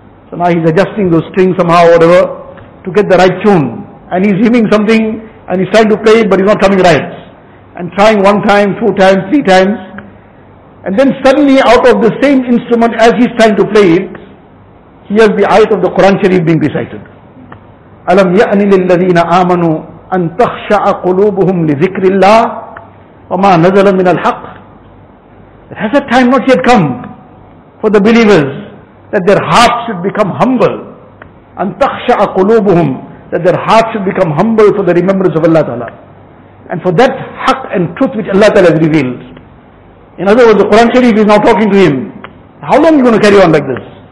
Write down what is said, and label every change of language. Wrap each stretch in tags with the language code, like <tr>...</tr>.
<en>So now he's adjusting those strings somehow, whatever, to get the right tune. And he's hymning something and he's trying to play it, but he's not coming right. And trying one time, two times, three times. And then suddenly out of the same instrument as he's trying to play it, he has the ayat of the Quran Sharif being recited.</en> <ar>Alam ya'ni lil-ladhina amanu أن تخشع قلوبهم لذكر الله وما نزل من الحق.</ar> <en>Has a time not yet come for the believers that their hearts should become humble?</en> <ar>أن تخشع قلوبهم,</ar> <en>that their hearts should become humble for the remembrance of Allah Ta'ala and for that haq and truth which Allah Ta'ala has revealed. In other words, the Quran Sharif is now talking to him. How long are you going to carry on like this?</en>